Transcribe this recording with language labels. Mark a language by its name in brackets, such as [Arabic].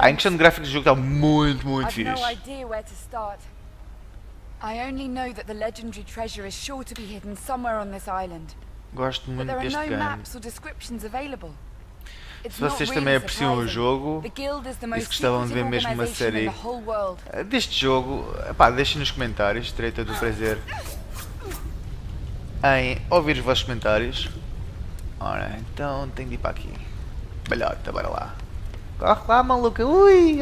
[Portuguese] A questão de gráficos do jogo está muito, muito fixe. [English] I have no idea where to start. I only know that the legendary treasure is sure to be hidden somewhere on this island. [Portuguese] Gosto muito deste [English] game. But there are no maps or descriptions available. [Portuguese] Se vocês também apreciam o jogo e se gostavam de ver mesmo uma série deste jogo, pá, deixem nos comentários, terei todo o prazer em ouvir os vossos comentários. Ora, então tenho de ir para aqui. Balhota, bora lá. Corre lá, maluca! Ui!